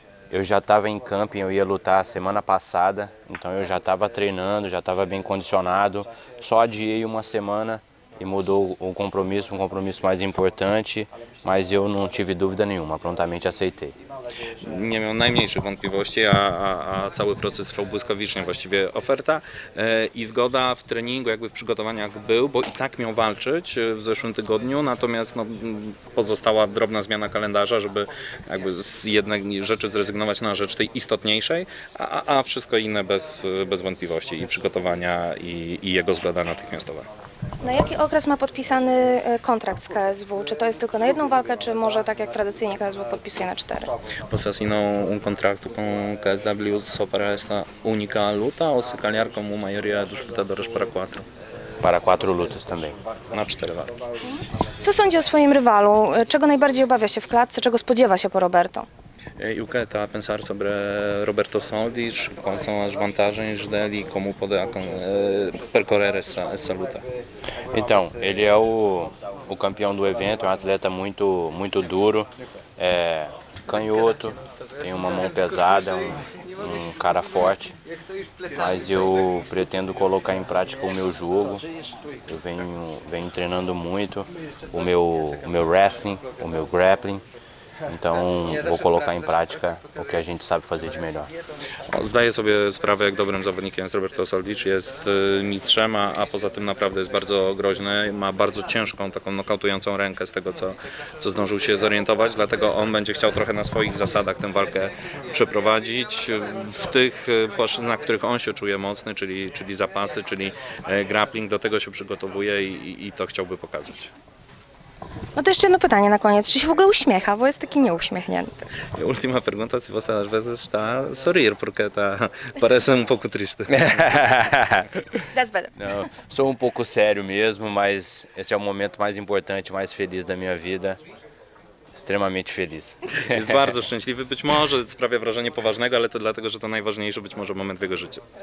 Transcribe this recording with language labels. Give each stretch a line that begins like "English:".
Portuguese: Eu já estava em campo, eu ia lutar semana passada, então eu já estava treinando, já estava bem condicionado. Só adiei uma semana e mudou um compromisso mais importante, mas eu não tive dúvida nenhuma, prontamente aceitei.
Polish: Nie miał najmniejszych wątpliwości, a cały proces trwał błyskawicznie. Właściwie oferta i zgoda w treningu, jakby w przygotowaniach był, bo i tak miał walczyć w zeszłym tygodniu, natomiast no, pozostała drobna zmiana kalendarza, żeby jakby z jednej rzeczy zrezygnować na rzecz tej istotniejszej, a wszystko inne bez wątpliwości i przygotowania i jego zgoda natychmiastowa. Na jaki okres ma podpisany kontrakt z KSW? Czy to jest tylko na jedną walkę, czy może tak jak tradycyjnie KSW podpisuje na 4?
Portuguese: Você assinou contrato com KSW só para esta única luta ou se calhar como a maioria dos lutadores para 4? Para 4 lutas também.
Polish: Na 4 walki. Co sądzi o swoim rywalu? Czego najbardziej obawia się w klatce? Czego spodziewa się po Roberto?
Portuguese: O que está a pensar sobre Roberto Soldis? Quais são as vantagens dele e como pode percorrer essa luta? Então, ele é o campeão do evento, é um atleta muito, muito duro, é canhoto, tem uma mão pesada, um cara forte, mas eu pretendo colocar em prática o meu jogo, eu venho treinando muito, o meu wrestling, o meu grappling. Então, vou colocar em prática o que a gente sabe fazer de melhor.
Polish: Zdaję sobie sprawę, jak dobrym zawodnikiem jest Roberto Soldic. Jest mistrzem, a poza tym naprawdę jest bardzo groźny. Ma bardzo ciężką, taką nokautującą rękę z tego, co zdążył się zorientować. Dlatego on będzie chciał trochę na swoich zasadach tę walkę przeprowadzić. W tych płaszczyznach, w których on się czuje mocny, czyli zapasy, czyli grappling, do tego się przygotowuje i to chciałby pokazać. No to jeszcze jedno pytanie na koniec. Czy się w ogóle uśmiecha, bo jest taki nieuśmiechnięty?
Portuguese: Mi última pergunta, si você às vezes está a sorrir, porque está parece um pouco triste.
English: That's better.
Portuguese: No, sou um pouco sério mesmo, mas esse é o momento mais importante, mais feliz da minha vida. Extremamente feliz.
Polish: Jest bardzo szczęśliwy, być może sprawia wrażenie poważnego, ale to dlatego, że to najważniejszy być może moment w jego życiu.